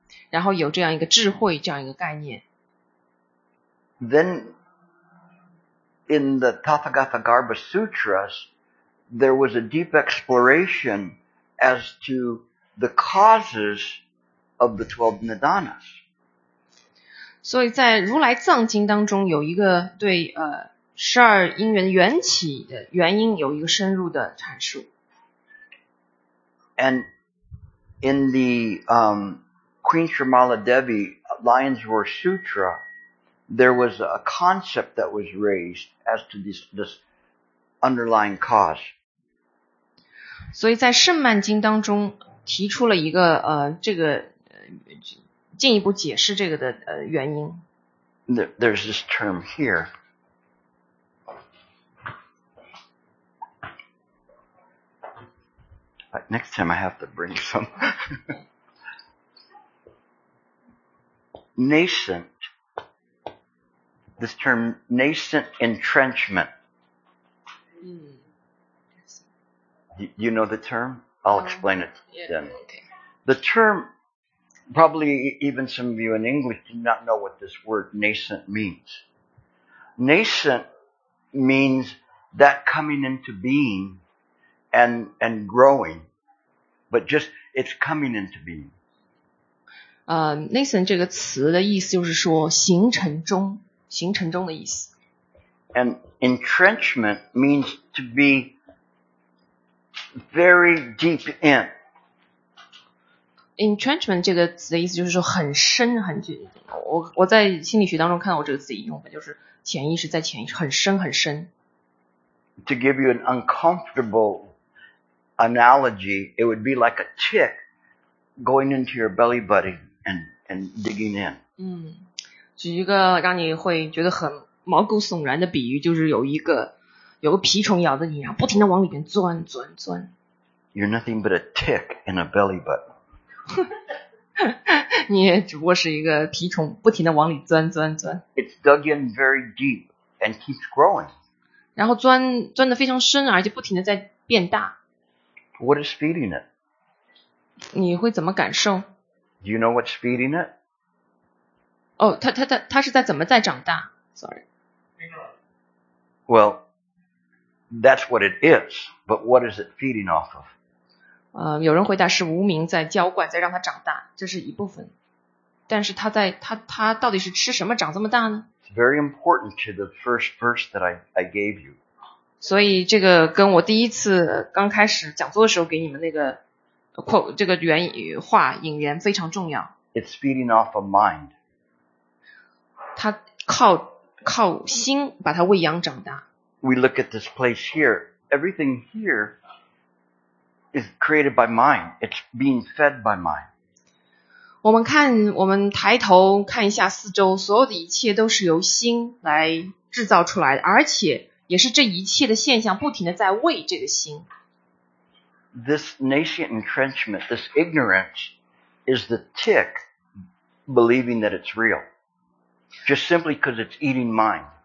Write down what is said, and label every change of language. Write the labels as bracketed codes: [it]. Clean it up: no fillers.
[zh] 然后有这样一个智慧，这样一个概念。 [en] Then in the Tathagatagarbha Sutras, there was a deep exploration as to the causes of the 12 Nidanas. [zh] 所以在如来藏经当中有一个对十二因缘缘起的原因有一个深入的阐述。 [en] And in the Queen Shrimala Devi Lion's Roar Sutra, there was a concept that was raised as to this underlying cause. [zh] 所以在圣曼经当中提出了一个这个进一步解释这个的原因。 [en] There's this term here. But next time I have to bring some. Nascent. This term, nascent entrenchment. You know the term? I'll explain it then. The term, probably even some of you in English do not know what this word nascent means. Nascent means that coming into being and growing, but just it's coming into being. [zh] Nascent 这个词的意思就是说形成中的意思。 [en] And entrenchment means to be very deep in. [zh] Entrenchment 这个词的意思就是说很深很深。我在心理学当中看到我这个词用法就是潜意识在潜意识很深很深。 [en] To give you an uncomfortable analogy, it would be like a tick going into your belly button and digging in. [zh] 举一个让你会觉得很毛骨悚然的比喻就是有个蜱虫咬着你，然后不停地往里边钻，钻，钻。 [en] You're nothing but a tick in a belly button. [zh] 你也只不过是一个蜱虫，不停地往里钻，钻，钻。 [en] It's dug in very deep and keeps growing. [zh] 然后钻钻得非常深，而且不停地在变大。 [en] What is feeding it? [zh] 你会怎么感受 [en] ？Do you know what's feeding it? [zh] 它是在怎么在长大 ？ [en] Sorry. Well. That's what it is, but what is it feeding off of? [zh] 有人回答是无明在浇灌，在让它长大，这是一部分。但是它到底是吃什么长这么大呢 [en] ？It's very important to the first verse that I gave you. [zh] 所以这个跟我第一次刚开始讲座的时候给你们那个 quote 这个原话引言非常重要。 [en] It's feeding off a mind. [zh] 它靠心把它喂养长大。 [en] We look at this place here. Everything here is created by mind. It's being fed by mind. [zh] 我们看，我们抬头看一下四周，所有的一切都是由心来制造出来的，而且也是这一切的现象不停地在喂这个心。 [en] This nascent entrenchment, this ignorance, is the tick believing that it's real, just simply because it's eating mind.